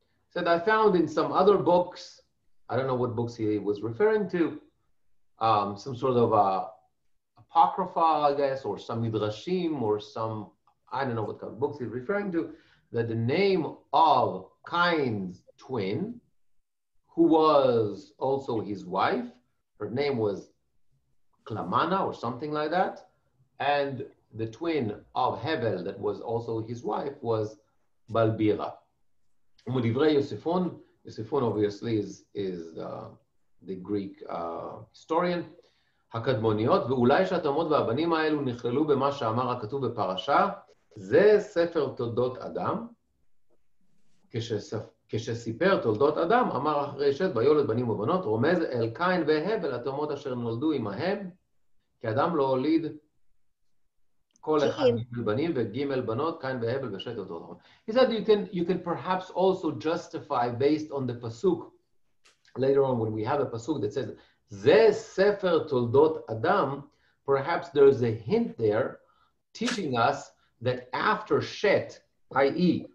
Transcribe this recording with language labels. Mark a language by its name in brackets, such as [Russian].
[English] Said I found in some other books, I don't know what books he was referring to, some sort of apocrypha, I guess, or some midrashim, or some, I don't know what kind of books he's referring to, that the name of Cain's twin, who was also his wife, her name was Klamana or something like that, and the twin of Hevel that was also his wife was Balbira. Mudivrei Yosefon, Yosefon obviously is the Greek historian. [Hebrew] הקדמוניות, ואולי שהתאומות והבנים האלו נכללו במה שאמר הכתוב בפרשה, זה ספר תולדות אדם. כשסיפר תולדות אדם, אמר אחרי שת ביולד בנים ובנות, רומז אל קין והבל התאומות אשר נולדו עמהם, כי אדם לא הוליד כל אחד גימל בנים וגימל בנות, קין והבל ושת אותו אדם. [English] He said you can perhaps also justify based on the pasuk, later on when we have a pasuk that says, [Hebrew] זה ספר תולדות אדם, [English] perhaps there is a hint there teaching us that after Shet, i.e.